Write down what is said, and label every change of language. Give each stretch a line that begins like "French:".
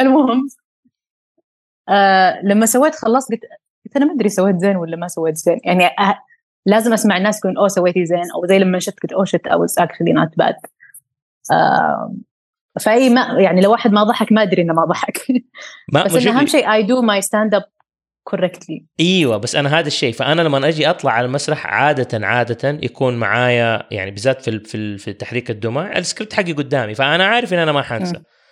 Arabic: المهم لما سويت خلاص قلت أنا ما أدري سويت زين ولا ما سويت زين. يعني لازم أسمع الناس يقولون أو سويتي زين، أو زي لما شفت قلت أو شت أو
English: actually not bad.
Arabic: فأي ما يعني لو واحد ما ضحك ما أدري إنه ما ضحك. بس أهم شيء
English: I do my stand up correctly.
Arabic: أيوة، بس أنا هذا الشيء. فأنا لما أجي أطلع على المسرح عادة يكون معايا، يعني بالذات في تحريك الدمى، السكريبت حقي قدامي، فأنا عارف إن أنا ما حنسى.